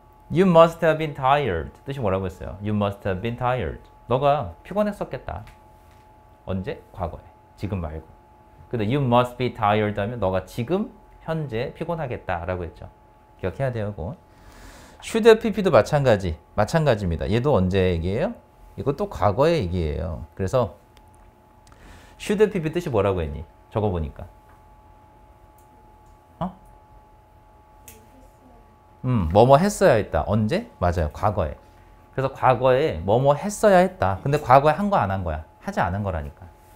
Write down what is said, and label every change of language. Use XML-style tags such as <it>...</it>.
<en>You must have been tired.</en> <ko>뜻이 뭐라고 했어요?</ko> <en>You must have been tired.</en> <ko>너가 피곤했었겠다. 언제? 과거에. 지금 말고. 근데</ko> <en>you must be tired</en> <ko>하면 너가 지금 현재 피곤하겠다 라고 했죠. 기억해야 돼요. 그거. should have pp도 마찬가지입니다. 얘도 언제 얘기예요? 이것도 과거의 얘기예요. 그래서 should have pp 뜻이 뭐라고 했니? 적어보니까. 어? 뭐뭐 했어야 했다. 언제? 맞아요. 과거에. 그래서 과거에 뭐뭐 했어야 했다. 근데 과거에 한 거 안 한 거야? 하지 않은 거라니까.</ko>